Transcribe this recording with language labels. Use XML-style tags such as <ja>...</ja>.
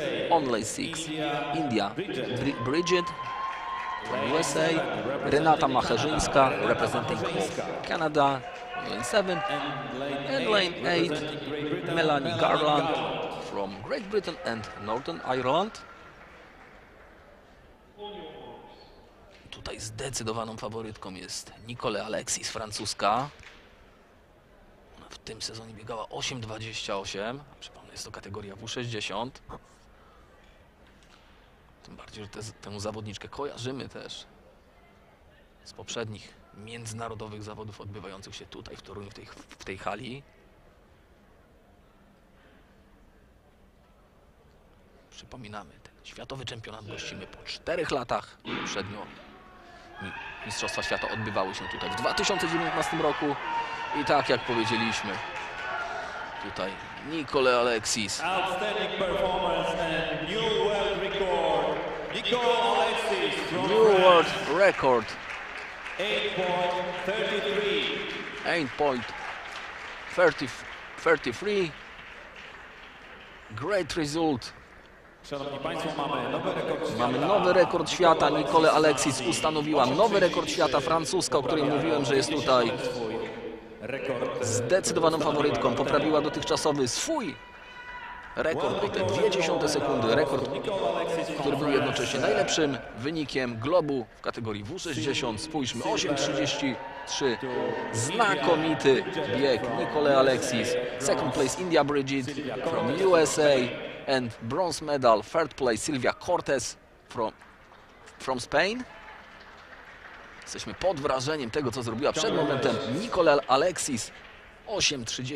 <en>On lane 6, India Bridget from USA. Renata Macherzyńska representing Canada. On lane 7. And lane 8, Melanie Garland from Great Britain and Northern Ireland.</en> <pl>Tutaj zdecydowaną faworytką jest Nicole Alexis, francuska. Ona w tym sezonie biegała 8:28. Przypomnę, jest to kategoria W60. Tym bardziej, że tę zawodniczkę kojarzymy też z poprzednich międzynarodowych zawodów odbywających się tutaj w Toruniu, w tej hali. Przypominamy, ten światowy czempionat gościmy po 4 latach poprzednio. Mistrzostwa Świata odbywały się tutaj w 2019 roku i tak jak powiedzieliśmy, tutaj Nicole Alexis.</pl> <en>Outstanding performance and new world record. Nicole Alexis. New world record. 8.33. 8.33. Great result.</en> <pl>Szanowni Państwo, mamy nowy rekord świata. Nicole Alexis ustanowiła nowy rekord świata, francuska, o której mówiłem, że jest tutaj zdecydowaną faworytką. Poprawiła dotychczasowy swój rekord o te 0,2 sekundy. Rekord, który był jednocześnie najlepszym wynikiem globu w kategorii W60. Spójrzmy, 8:33. Znakomity bieg Nicole Alexis.</pl> <en>Second place India Bridget from USA. And bronze medal, third place, Sylvia Cortes from Spain.</en> <pl>Jesteśmy pod wrażeniem tego, co zrobiła przed momentem Nicole Alexis. 8:30.</pl>